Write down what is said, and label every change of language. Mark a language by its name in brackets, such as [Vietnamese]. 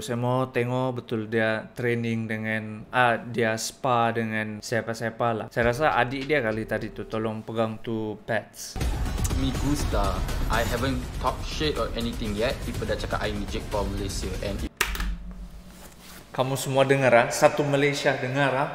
[Malay] Saya mau tengok betul dia training dengan dia spa dengan siapa-siapa lah. Saya rasa adik dia kali tadi tu, tolong pegang tu pads. [Spanish] Me gusta. [English] I haven't talked shit or anything yet. [Malay] People dah cakap I ni Jake Paul Malaysia and kamu semua dengar ah, satu Malaysia dengar ah.